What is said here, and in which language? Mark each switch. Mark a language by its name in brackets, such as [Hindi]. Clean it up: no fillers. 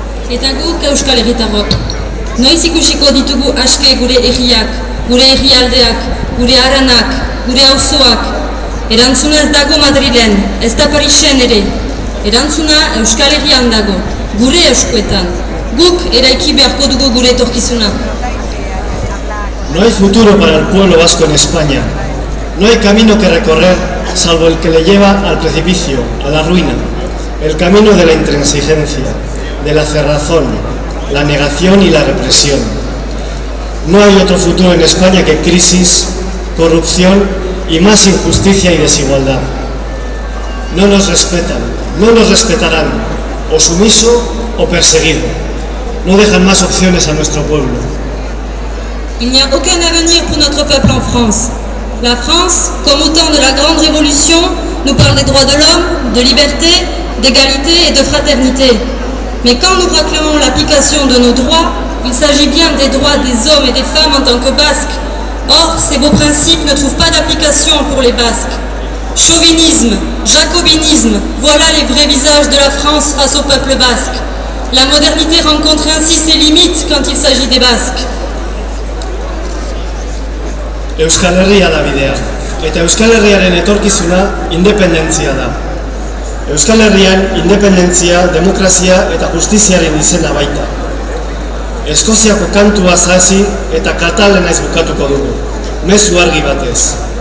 [Basque] Eta guk euskal egitarrok. Noiz ikusiko ditugu aske gure egiak, gure egialdeak, gure haranak, gure auzoak. Erantzuna ez dago Madrilen, ez da Parisen ere. Erantzuna Euskal Herrian dago, gure eskuetan. Guk eraiki beharko dugu gure etorkizuna. [Spanish] No hay futuro para el pueblo vasco en España. No hay camino que recorrer salvo el que le lleva al precipicio, a la ruina. El camino de la intransigencia, de la cerrazón, la negación y la represión. No hay otro futuro en España que crisis, corrupción y más injusticia y desigualdad. No nos respetan. No nos respetarán, o sumiso o perseguido. No dejan más opciones a nuestro pueblo. [French] Il n'y a aucun avenir pour notre peuple en France. La France, comme au temps de la Grande Révolution, nous parle des droits de l'homme, de liberté, d'égalité et de fraternité. Mais quand nous proclamons l'application de nos droits, il s'agit bien des droits des hommes et des femmes en tant que Basques. Or, ces beaux principes ne trouvent pas d'application pour les Basques. Chauvinisme, jacobinisme, voilà les vrais visages de la France face au peuple basque. La modernité rencontre ainsi ses limites quand il s'agit des Basques. [Basque] Euskal Herria da bidea, eta Euskal Herriaren etorkizuna independentzia da. Euskal Herrian independentzia, demokrazia eta justiziaren izena baita. Eskoziako kantua zazi eta katalena izbukatuko dugu, mezu argi batez.